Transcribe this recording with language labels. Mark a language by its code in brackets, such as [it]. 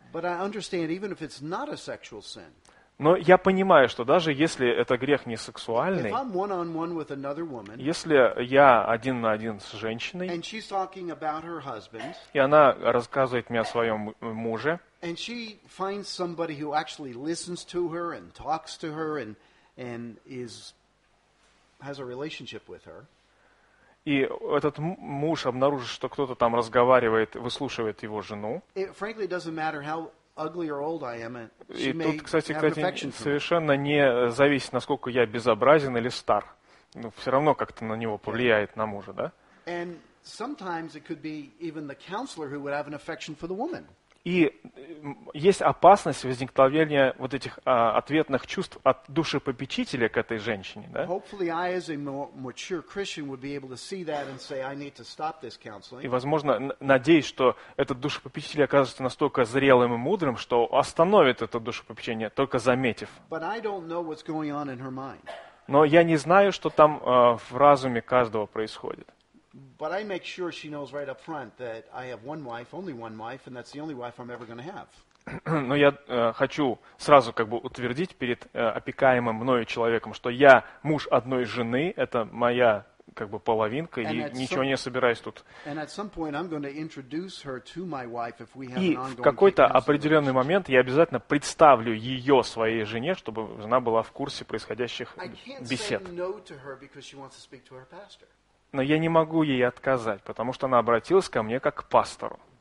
[en] But I understand, even if it's not a sexual sin. [ru] Но я понимаю, что даже если это грех не сексуальный, [en] if I'm one-on-one with another woman, [ru] если я один на один с женщиной, [en] and she's talking about her husband, [ru] и она рассказывает мне о своем муже, [en] and she finds somebody who actually listens to her and talks to her and is has a relationship with her. [ru] И этот муж обнаружит, что кто-то там разговаривает, выслушивает его жену. [en] It frankly doesn't matter how ugly or old I am, and she may have an affection for me. [ru] И тут, кстати, совершенно не зависит, насколько я безобразен или стар. Ну, все равно как-то на него повлияет, на мужа, да? [en] And sometimes it could be even the counselor who would have an affection for the woman. [ru] И есть опасность возникновения вот этих ответных чувств от душепопечителя к этой женщине. Да? [en] Hopefully I, as a mature Christian, would be able to see that and say, I need to stop this counseling. [ru] И, возможно, надеюсь, что этот душепопечитель окажется настолько зрелым и мудрым, что остановит это душепопечение, только заметив. [en] But I don't know what's going on in her mind. [ru] Но я не знаю, что там в разуме каждого происходит. [en] But I make sure she knows right up front that I have one wife, only one wife, and that's the only wife I'm ever going to have. [ru] Но я хочу сразу как бы утвердить перед опекаемым мною человеком, что я муж одной жены, это моя как бы половинка, и ничего не собираюсь тут. [en] And at some point I'm going to introduce her to my wife if we have an ongoing relationship. [ru] И в какой-то определенный момент я обязательно представлю ее своей жене, чтобы жена была в курсе происходящих бесед. [en] I can't say no to her because she wants to speak to her pastor. [ru] Но я не могу ей отказать, потому что она обратилась ко мне как к пастору.